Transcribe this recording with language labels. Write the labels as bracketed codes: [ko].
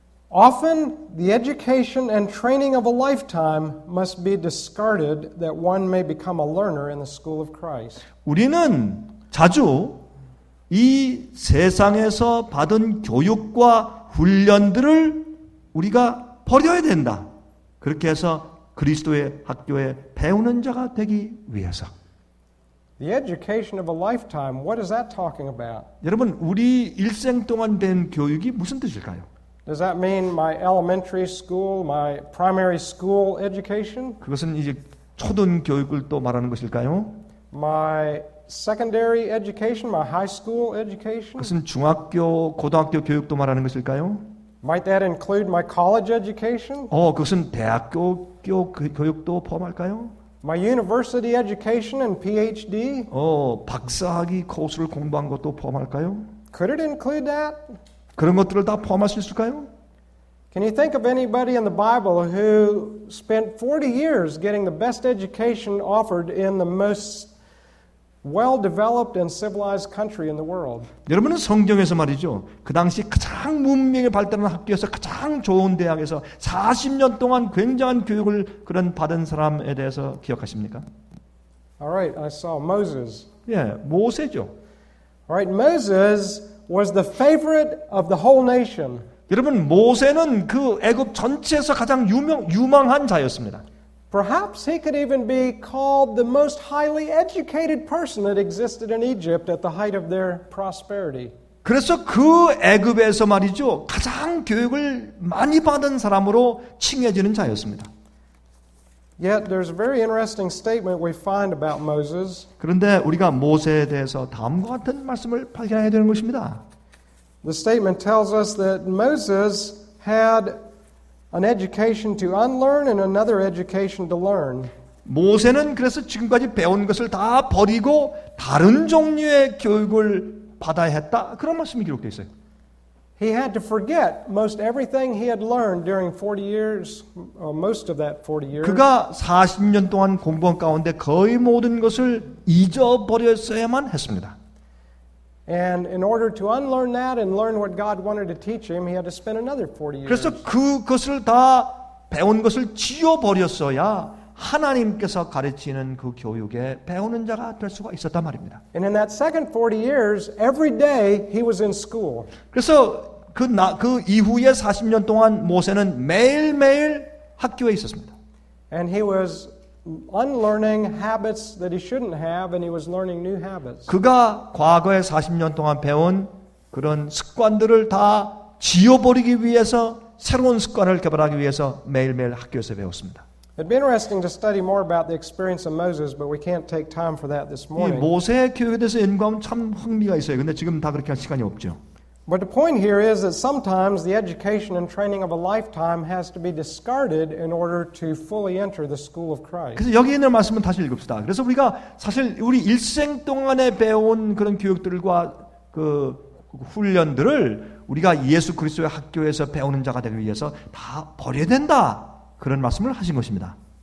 [en] Often the education and training of a lifetime must be discarded that one may become a learner in the school of Christ. [ko] 우리는 자주 이 세상에서 받은 교육과 훈련들을 우리가 버려야 된다. 그렇게 해서 그리스도의 학교에 배우는 자가 되기 위해서. [en] The education of a lifetime, what is that talking about? [ko] 여러분, 우리 일생 동안 된 교육이 무슨 뜻일까요? [en] Does that mean my elementary school, my primary school education? [ko] 그것은 이제 초등교육을 또 말하는 것일까요? [en] My secondary education, my high school education? [ko] 그것은 중학교, 고등학교 교육도 말하는 것일까요? [en] Might that include my college education? [ko] 그것은 대학교 교육도 포함할까요? [en] My university education and PhD? [ko] 박사학위 코스를 공부한 것도 포함할까요? [en] Could it include that? [ko] 그런 것들을 다 포함할 수 있을까요? [en] Can you think of anybody in the Bible who spent 40 years getting the best education offered in the most well-developed and civilized country in the world? [ko] 여러분은 성경에서 말이죠. 그 당시 가장 문명이 발달한 학교에서 가장 좋은 대학에서 40년 동안 굉장한 교육을 그런 받은 사람에 대해서 기억하십니까? [en] All right, I saw Moses. [ko] 예, 모세죠. [en] All right, Moses was the favorite of the whole nation. [ko] 여러분, 모세는 그 애굽 전체에서 가장 유망한 자였습니다. [en] Perhaps he could even be called the most highly educated person that existed in Egypt at the height of their prosperity. [ko] 그래서 그 애굽에서 말이죠. 가장 교육을 많이 받은 사람으로 칭해지는 자였습니다. [en] Yet there's a very interesting statement we find about Moses. [ko] 그런데 우리가 모세에 대해서 다음과 같은 말씀을 발견해야 되는 것입니다. [en] The statement tells us that Moses had an education to unlearn and another education to learn. [ko] 모세는 그래서 지금까지 배운 것을 다 버리고 다른 종류의 교육을 받아야 했다. 그런 말씀이 기록되어 있어요. [en] He had to forget most everything he had learned during 40 years, most of that 40 years. [ko] 그가 40년 동안 공부한 가운데 거의 모든 것을 잊어버렸어야만 했습니다. [en] And in order to unlearn that and learn what God wanted to teach him, he had to spend another 40 years. [ko] 그래서 그것을 다 배운 것을 지워버렸어야 하나님께서 가르치는 그 교육에 배우는 자가 될 수가 있었단 말입니다. [en] And in that second 40 years, every day he was in school. [ko] 그래서 그 이후에 40년 동안 모세는 매일매일 학교에 있었습니다. [en] And he was unlearning habits that he shouldn't have and he was learning new habits. [ko] 그가 과거에 40년 동안 배운 그런 습관들을 다 지워버리기 위해서 새로운 습관을 개발하기 위해서 매일매일 학교에서 배웠습니다. [en] It'd be interesting to study more about the experience of Moses, but we can't take time for that this morning. [ko] 모세의 교육에 대해서 연구하면 참 흥미가 있어요. 근데 지금 다 그렇게 할 시간이 없죠. [en] But the point here is that sometimes the education and training of a lifetime has to be discarded in order to fully enter the school of Christ. [ko] 그래서 여기 있는 말씀은 다시 읽읍시다. 그래서 우리가 사실 우리 일생 동안에 배운 그런 교육들과 그 훈련들을 우리가 예수 그리스도의 학교에서 배우는 자가 되기 위해서 다 버려야 된다. 그런 말씀을 하신 것입니다.